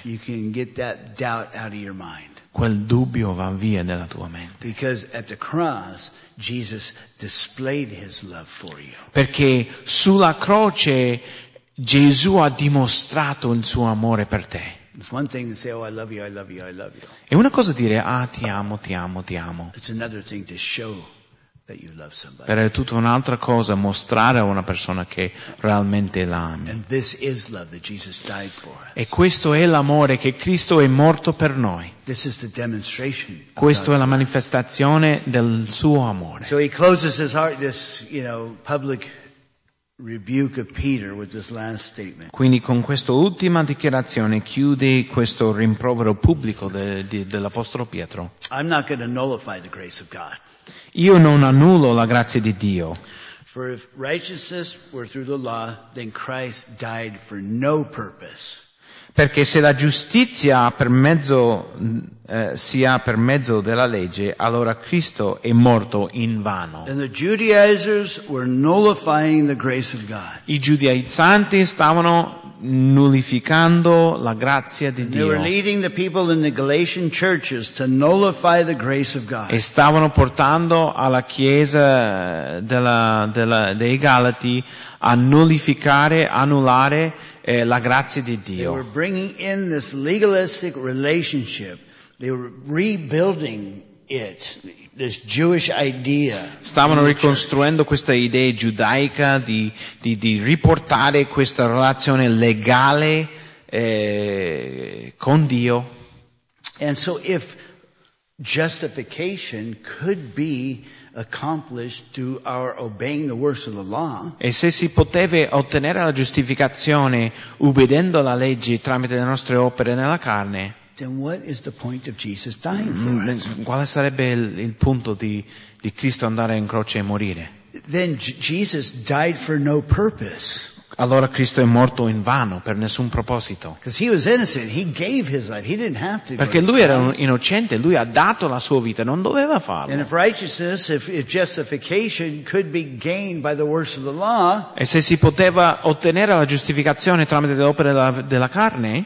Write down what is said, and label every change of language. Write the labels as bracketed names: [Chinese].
[English] you can get that doubt out of your mind. [Italian] Quel dubbio va via nella tua mente. [English] Because at the cross, Jesus displayed His love for you. [Italian] Perché sulla croce Gesù ha dimostrato il suo amore per te. [English] It's one thing to say, "Oh, I love you, I love you, I love you." [Italian] È una cosa dire, ah, ti amo, ti amo, ti amo. [English] It's another thing to show that you love somebody. [Italian] Però è tutta un'altra cosa mostrare a una persona che realmente la ami. [English] And this is love that Jesus died for us. [Italian] E questo è l'amore che Cristo è morto per noi. [English] This is the demonstration. [Italian] Questo è la manifestazione del suo amore. [English] So He closes His heart, this, you know, public rebuke of Peter with this last statement. [Italian] Quindi con questa ultima dichiarazione chiude questo rimprovero pubblico dell'apostolo Pietro. [English] I'm not going to nullify the grace of God. [Italian] Io non annullo la grazia di Dio. [English] For if righteousness were through the law, then Christ died for no purpose. [Italian] Perché se la giustizia per mezzo sia per mezzo della legge, allora Cristo è morto in vano. [English] And the Judaizers were nullifying the grace of God. [Italian] I giudaizzanti stavano nullificando la grazia di [English] and [Italian] Dio. [English] They were leading the people in the Galatian churches to nullify the grace of God. [Italian] E stavano portando alla chiesa dei Galati a nullificare, annullare la grazia di Dio. [English] They were bringing in this legalistic relationship. They were rebuilding it, this Jewish idea. [Italian] Stavano ricostruendo questa idea giudaica di riportare questa relazione legale con Dio. [English] And so if justification could be accomplished through our obeying the works of the law. [Italian] E se si poteva ottenere la giustificazione ubbidendo la legge tramite le nostre opere nella carne. [English] Then what is the point of Jesus dying for us? [Italian] Quale sarebbe il punto di Cristo andare in croce e morire? [English] Then Jesus died for no purpose. [Italian] Allora Cristo è morto in vano, per nessun proposito. [English] Because he was innocent, he gave his life, he didn't have to. [Italian] Perché lui era innocente, lui ha dato la sua vita, non doveva farlo. [English] And if righteousness, if justification could be gained by the works of the law, [Italian] e se si poteva ottenere la giustificazione tramite le opere della carne,